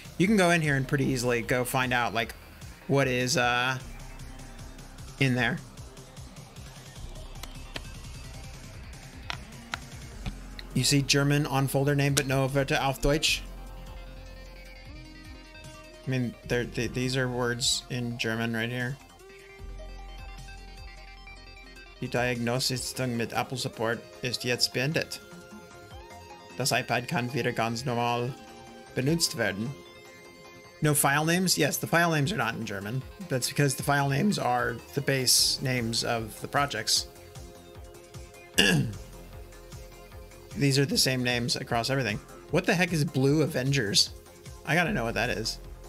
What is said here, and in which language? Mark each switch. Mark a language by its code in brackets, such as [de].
[en] You can go in here and pretty easily go find out like what is in there. You see German on folder name, but no [de] Werte auf Deutsch. [en] I mean, these are words in German right here. [de] Die Diagnosesitzung mit Apple Support ist jetzt beendet. Das iPad kann wieder ganz normal benutzt werden. [en] No file names? Yes, the file names are not in German. That's because the file names are the base names of the projects. These are the same names across everything. What the heck is Blue Avengers? I gotta know what that is.